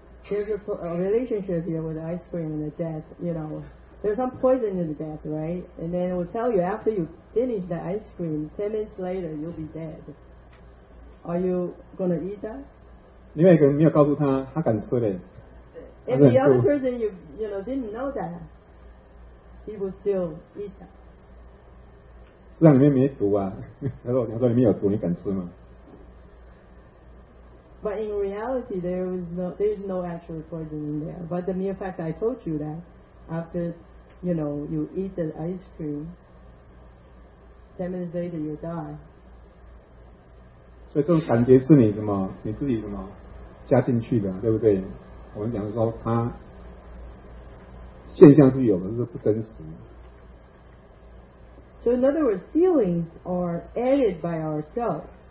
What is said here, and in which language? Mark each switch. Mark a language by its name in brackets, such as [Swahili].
[English] There's a relationship here with ice cream and the death, you know. There's some poison in the death, right? And then it will tell you after you finish the ice cream, 10 minutes later, you'll be dead. Are you going to eat that? [Chinese] 另外一个人没有告诉他，他敢吃嘞。 [English] If the other person, you know, didn't know that, he would still eat that. [Chinese] 这样里面没毒啊。他说里面有毒，你敢吃吗？ [English] But in reality, there is no actual poison in there. But the mere fact I told you that after, you know, you eat the ice cream, 10 minutes later, you die. [Chinese] 所以这种感觉是你什么你自己什么加进去的，对不对？我们讲说它现象是有的，是不真实。 [English] So in other words, feelings are added by ourselves.